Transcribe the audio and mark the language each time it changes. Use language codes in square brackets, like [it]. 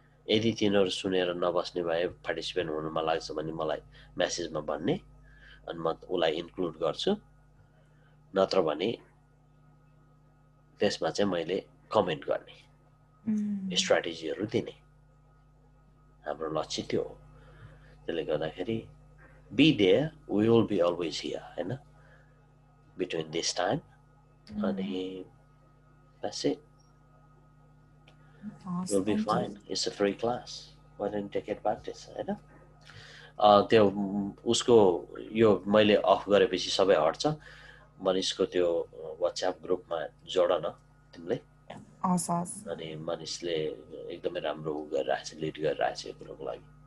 [ne] यदि तिनीहरू सुनेर नबस्ने भए पार्टिसिपेन्ट हुनुमा लाग्छ भने मलाई म्यासेजमा भन्ने अनि म उसलाई इन्क्लुड गर्छु नत्र भने त्यसमा चाहिँ मैले कमेन्ट गर्ने स्ट्राटेजीहरू दिने हाम्रो लक्ष्य त्यो हो त्यसले गर्दाखेरि [en] be there we will be always here [ne] होइन [en] between this time [ne] अनि [en] that's it. Awesome. You'll be fine. It's a free class. Why don't you take advantage, you know? [ne] त्यो उसको यो मैले अफ गरेपछि सबै हट्छ मनिषको त्यो व्हाट्सएप ग्रुपमा जोड न तिमीले अनि मनिषले एकदमै राम्रो उ गरिरहेछ लिड गरिरहेछ यो ग्रुपको लागि